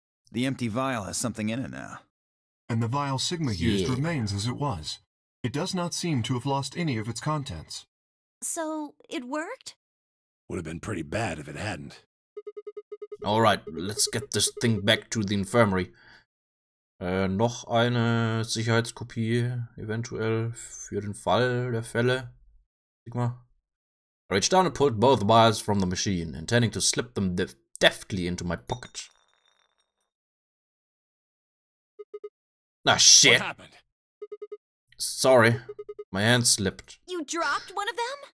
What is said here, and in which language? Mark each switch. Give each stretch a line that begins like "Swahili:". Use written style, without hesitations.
English: The empty vial has something in it now. And the vial Sigma used remains as it was. It does not seem to have lost any of its contents. So, it worked? Would have been pretty bad if it hadn't. Alright, let's get this thing back to the infirmary.
German: Noch eine Sicherheitskopie, eventuell, für den Fall der Fälle.
English: Sigma. I reached down and pulled both vials from the machine, intending to slip them deftly into my pocket. Ah, shit. What happened? Sorry. My hand slipped. You dropped one of them?